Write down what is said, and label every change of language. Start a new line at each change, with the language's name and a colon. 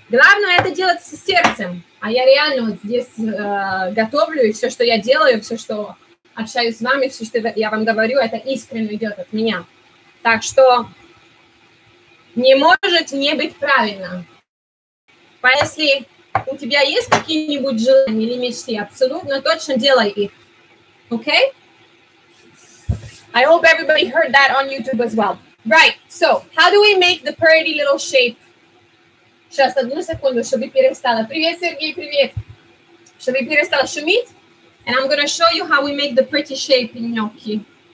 Russian: Главное это делать с сердцем, а я реально вот здесь готовлю, и все, что я делаю, все, что общаюсь с вами, все, что я вам говорю, это искренне идет от меня. Так что не может не быть правильно. Если у тебя есть какие-нибудь желания или мечты? Абсолютно точно делай их.
English: Okay? I hope everybody heard that on YouTube as well. Right, so how do we make the pretty little shape?
Russian: Сейчас, одну секунду, чтобы перестала. Привет, Сергей, привет. Чтобы перестала шуметь.
English: And I'm going to show you how we make the pretty shape in gnocchi.